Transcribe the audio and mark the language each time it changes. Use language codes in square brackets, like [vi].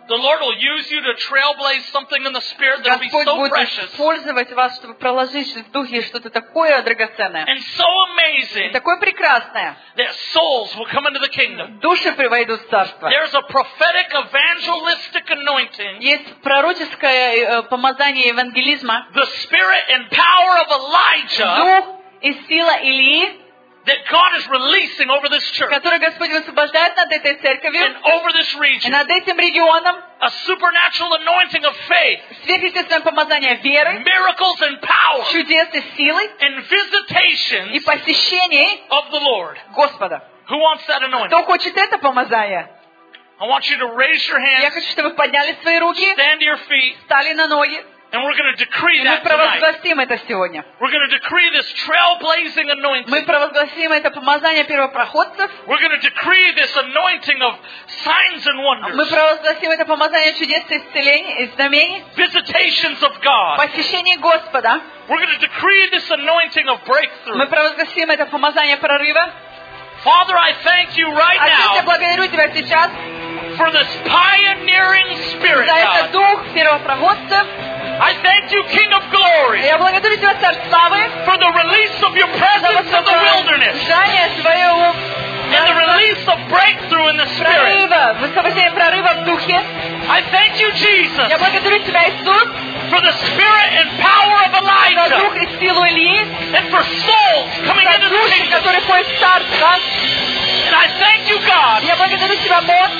[en] the Lord will use you to trailblaze something in the spirit that will be so precious. [ru] Господь будет использовать вас, чтобы проложить в духе что-то такое драгоценное. [en] And so amazing. [ru] И такое прекрасное. [en] That souls will come into the kingdom. [ru] Души приведут в царство. [en] There's a prophetic evangelistic anointing. [ru] Есть пророческое помазание евангелизма. [en] The spirit and power of Elijah. [ru] Дух и сила Илии. [en] That God is releasing over this church, [ru] который Господь высвобождает над этой церковью, [en] and over this region, [ru] и над этим регионом, [en] a supernatural anointing of faith, [ru] сверхъестественное помазание веры, [en] miracles and power, [ru] чудес и силы, [en] and visitations, [ru] и посещений, [en] of the Lord, [ru] Господа. [en] Who wants that anointing? [ru] Кто хочет это помазание? [en] I want you to raise your hands. [ru] Я хочу, чтобы вы подняли свои руки. [en] Stand your feet. [ru] Встали на ноги. [en] And we're going to decree that tonight. [ru] Мы провозгласим это сегодня. [en] We're going to decree this trailblazing anointing. [ru] Мы провозгласим это помазание первопроходцев. [en] We're going to decree this anointing of signs and wonders. [ru] Мы провозгласим это помазание чудес и исцелений и знамений. [en] Visitations of God. [ru] Посещение Господа. [en] We're going to decree this anointing of breakthrough. [ru] Мы провозгласим это помазание прорыва. [en] Father, I thank you right now. [ru] Отец, я благодарю тебя сейчас. [en] For this pioneering spirit. [ru] За этот дух первопроходцев. [en] I thank you, King of Glory. [ru] Я благодарю тебя, Царь Славы. [en] For the release of your presence in the wilderness. [ru] Жжение твоего. [en] And the release of breakthrough in the spirit. [ru] Прорыва, высвобождение прорыва в духе. [en] I thank you, Jesus. [ru] Я благодарю тебя, Иисус. [en] For the spirit and power of Elijah. [ru] За дух и силу Ильи. [en] And for souls coming into the kingdom. [ru] Которые ходят в царство. [en] And I thank you, God. [ru] Я благодарю тебя, Бог.